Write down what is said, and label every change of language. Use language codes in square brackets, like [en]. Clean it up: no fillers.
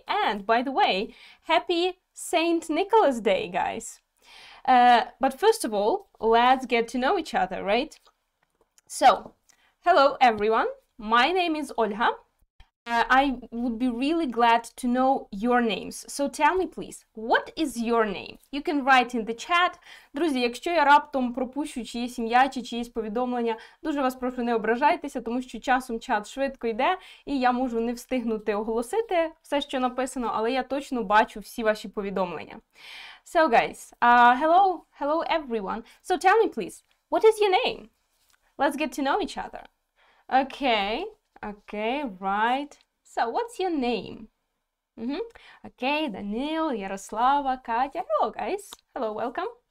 [en] And by the way, happy Saint Nicholas Day, guys. But first of all, let's get to know each other, right? So, hello everyone. My name is Olha. I would be really glad to know your names. So tell me please, what is your name? You can write in the chat. [uk] Друзі, якщо я раптом пропущу чиєсь ім'я чи чиєсь повідомлення, дуже вас прошу не ображайтеся, тому що часом чат швидко йде, і я можу не встигнути оголосити все, що написано, але я точно бачу всі ваші повідомлення. [en] So guys, hello, hello everyone. So tell me please, what is your name? Let's get to know each other. Okay. Okay, right. So, what's your name? Mm-hmm. Okay, Daniil, Yaroslava, Katya. Hello, guys. Hello, welcome.